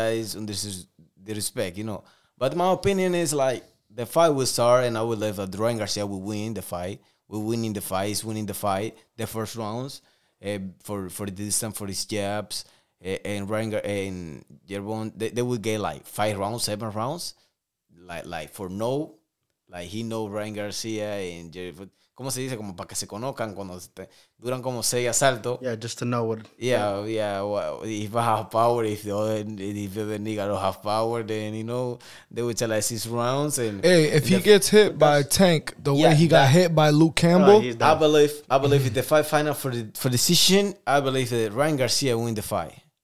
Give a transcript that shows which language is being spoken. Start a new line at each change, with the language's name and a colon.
English: That is, and this is the respect, you know. But my opinion is, like, the fight will start, and I will leave that Ryan Garcia will win the fight. We're winning the fight. He's winning the fight. The first rounds for the distance, for his jabs. And Ryan and Jerbon, they will get, like, 5 rounds, 7 rounds. Like for no. Like, he know Ryan Garcia and Jerbon.
Spanish: ¿Cómo se dice? Como para que se conozcan cuando duran como 6 asaltos.
English: Yeah, just to know what. Yeah. If I have power, if the nigga don't have power, then, you know, they would tell us like 6 rounds. And hey, if he gets hit by Tank got hit by Luke Campbell. Right, I believe if the fight final for the decision, I believe that Ryan Garcia win the fight.